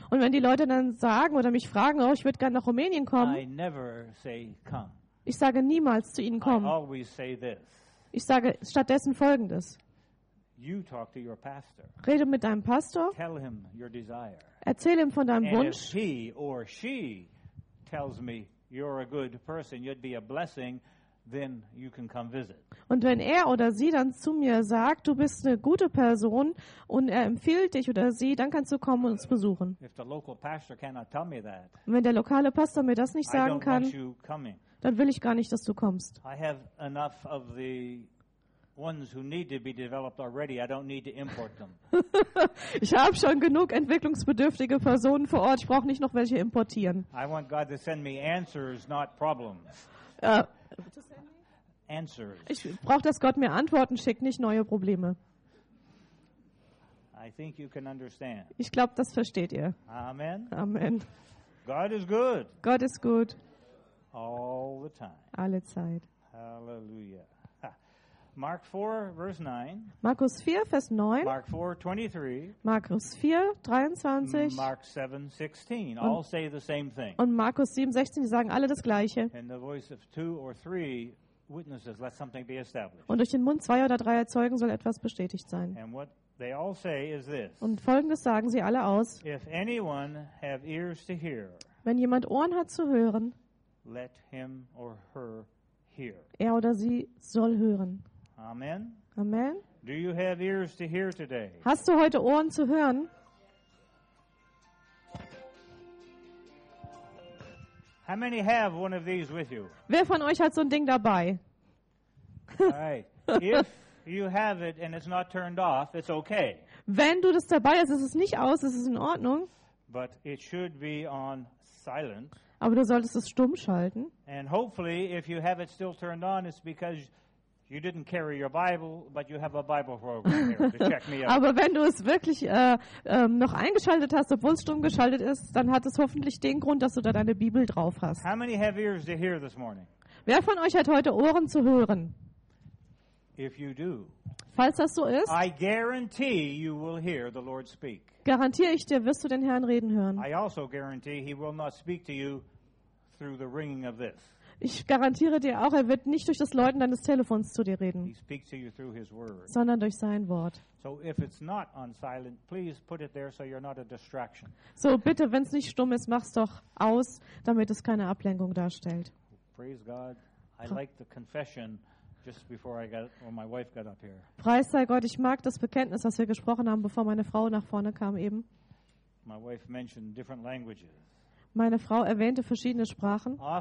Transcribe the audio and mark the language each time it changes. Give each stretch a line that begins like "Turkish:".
German: Und wenn die Leute dann sagen oder mich fragen, oh, ich würde gerne nach Rumänien kommen.
English: I never say come.
German: Ich sage niemals zu ihnen kommen.
English: I always say this.
German: Ich sage stattdessen Folgendes.
English: You talk to your pastor.
German: Rede mit deinem Pastor.
English: Tell him your desire.
German: Erzähl ihm von deinem Wunsch.
English: And if he or she tells me you're a good person, you'd be a blessing. Then you can come visit.
German: Und wenn er oder sie dann zu mir sagt, du bist eine gute Person und er empfiehlt dich oder sie, dann kannst du kommen und uns besuchen.
English: If the local pastor cannot tell me that,
German: und wenn der lokale Pastor mir das nicht sagen kann,
English: I don't want you coming.
German: Dann will ich gar nicht, dass du kommst.
English: I have enough of the ones who need to be developed already. I don't need to import them.
German: Ich habe schon genug entwicklungsbedürftige Personen vor Ort. Ich brauche nicht noch welche importieren.
English: I want God to send me answers, not problems.
German: Ich brauche, dass Gott mir Antworten schickt, nicht neue Probleme.
English: I think you can understand.
German: Ich glaube, das versteht ihr.
English: Amen.
German: Amen.
English: God is good.
German: Gott ist gut.
English: All the time.
German: Alle Zeit.
English: Hallelujah. Mark 4, verse 9.
German: Markus 4, Vers 9.
English: Mark 4, 23.
German: Markus 4, 23.
English: Mark 7, 16. Und, all say the same thing.
German: Und Markus 7, 16, die sagen alle das Gleiche.
English: In the voice of two or three witnesses, let something be established.
German: Und durch den Mund zweier oder dreier Zeugen soll etwas bestätigt sein.
English: And what they all say is this.
German: Und Folgendes sagen sie alle aus.
English: If anyone have ears to hear,
German: wenn jemand Ohren hat zu hören,
English: let him or her hear.
German: Er oder sie soll hören.
English: Amen.
German: Amen.
English: Do you have ears to hear today?
German: Hast du heute Ohren zu hören?
English: How many have one of these with you?
German: Wer von euch hat so ein Ding dabei?
English: Alright. If you have it and it's not turned off, it's okay.
German: Wenn du das dabei hast, ist es nicht aus, ist es in Ordnung.
English: But it should be on silent.
German: Aber du solltest es stumm schalten.
English: And hopefully, if you have it still turned on, it's because you didn't carry your Bible, but you have a Bible program here to check me out.
German: Aber wenn du es wirklich noch eingeschaltet hast, obwohl es stumm geschaltet ist, dann hat es hoffentlich den Grund, dass du da deine Bibel drauf hast.
English: How many have ears to hear this morning?
German: Wer von euch hat heute Ohren zu hören?
English: If you do,
German: falls das so ist,
English: I guarantee you will hear the Lord speak.
German: Garantiere ich dir, wirst du den Herrn reden hören.
English: I also guarantee he will not speak to you through the ringing of this.
German: Ich garantiere dir auch, er wird nicht durch das Läuten deines Telefons zu dir reden, sondern durch sein Wort.
English: So, if it's not on silent, please put it there, so you're not a distraction.
German: So bitte, wenn es nicht stumm ist, mach's doch aus, damit es keine Ablenkung darstellt.
English: Praise God. I like the confession just before I got, when my wife got up here.
German: Preis sei Gott, ich mag das Bekenntnis, was wir gesprochen haben, bevor meine Frau nach vorne kam eben.
English: My wife mentioned different languages.
German: Meine Frau erwähnte verschiedene Sprachen.